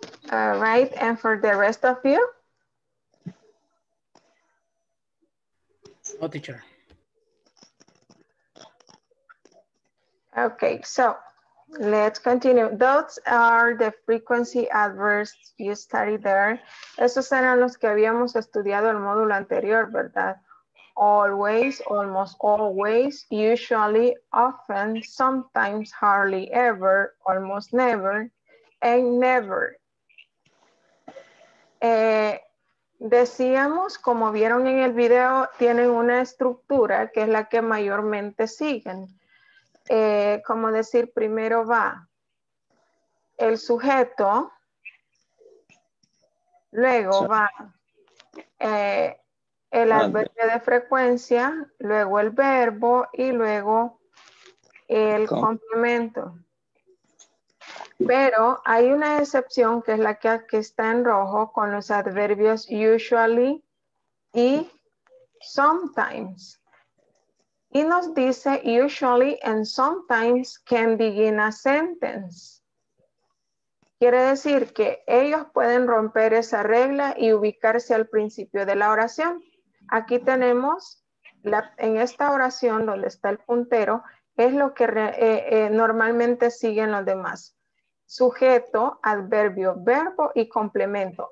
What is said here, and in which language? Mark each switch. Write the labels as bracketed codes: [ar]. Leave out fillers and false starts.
[en] All right, and for the rest of you? No, teacher. Okay, so let's continue. Those are the frequency adverbs you studied there. [es] Esos eran los que habíamos estudiado el módulo anterior, ¿verdad? [en] Always, almost always, usually, often, sometimes, hardly ever, almost never, and never. [es] Decíamos, como vieron en el video, tienen una estructura que es la que mayormente siguen. Como decir, primero va el sujeto, luego va el adverbio de frecuencia, luego el verbo y luego el complemento. Pero hay una excepción que es la que aquí está en rojo con los adverbios usually y sometimes. [en] Y nos dice usually and sometimes can begin a sentence. [es] Quiere decir que ellos pueden romper esa regla y ubicarse al principio de la oración. Aquí tenemos, en esta oración donde está el puntero, es lo que normalmente siguen los demás. Sujeto, adverbio, verbo y complemento.